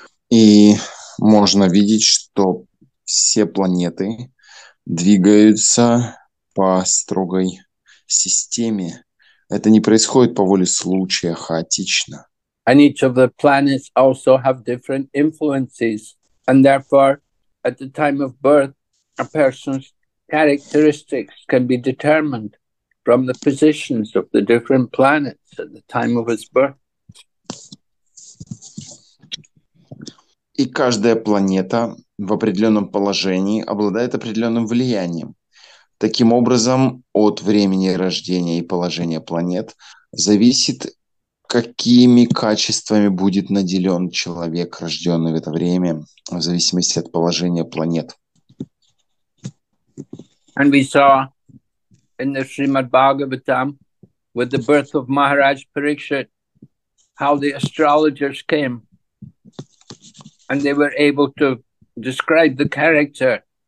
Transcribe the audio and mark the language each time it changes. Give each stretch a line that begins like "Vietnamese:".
Russian: И можно видеть, что все планеты двигаются по строгой системе. Это не происходит по воле случая, хаотично.
English: And each of the planets also have different influences, and therefore, at the time of birth, a person's characteristics can be determined from the positions of the different planets at the time of his birth.
Russian: И каждая планета в определенном положении обладает определенным влиянием. Таким образом, от времени рождения и положения планет зависит, какими качествами будет наделен человек, рожденный в это время, в зависимости от положения планет.
English: And we saw in the Srimad Bhagavatam with the birth of Maharaj Parikshit how the astrologers came and they were able to describe the character